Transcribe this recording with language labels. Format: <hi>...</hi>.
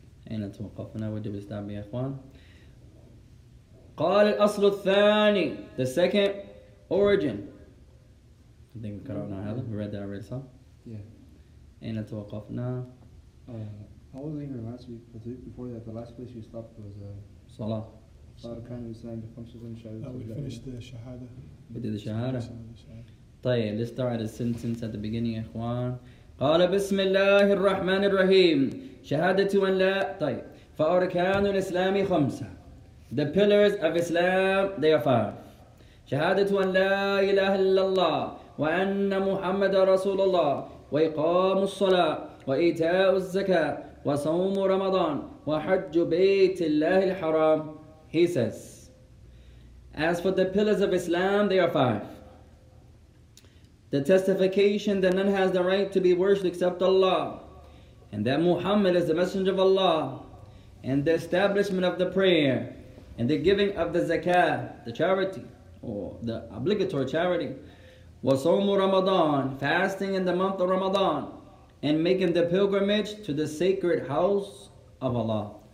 <ar>Ayna tawqafna, wajib istab ya akhwan. Qala al-Aslu al-Thani.</ar> <en>The second origin. I think we cut out now, have we read that already, saw? Yeah.</en> <ar>أين توقفنا؟</ar> <en>I was in here last week, but before that, the last place we stopped was</en> <ar>صلاة. صار كان يسأل بخمسة وعشرين شهادة.</ar> <en>We finished the شهادة.</en> <ar>بدأ الشهادة. طيب,</ar> <en>let's start a sentence at the beginning, إخوان.</en> <ar>قال بسم الله الرحمن الرحيم شهادة أن لا. طيب, فأركان الإسلام خمسة.</ar> <en>The pillars of Islam, they are five.</en> <ar>شهادة أن لا إله إلا الله وأن محمد رسول الله وإقام الصلاة وإيتاء الزكاة وصوم رمضان وحج بيت الله الحرام.</ar> <en>He says, as for the pillars of Islam, they are five. The testification that none has the right to be worshipped except Allah, and that Muhammad is the messenger of Allah, and the establishment of the prayer, and the giving of the zakah, the charity, or the obligatory charity,</en> <ar>وصوم رمضان,</ar> <en>fasting in the month of Ramadan, and making the pilgrimage to the sacred house of Allah.</en>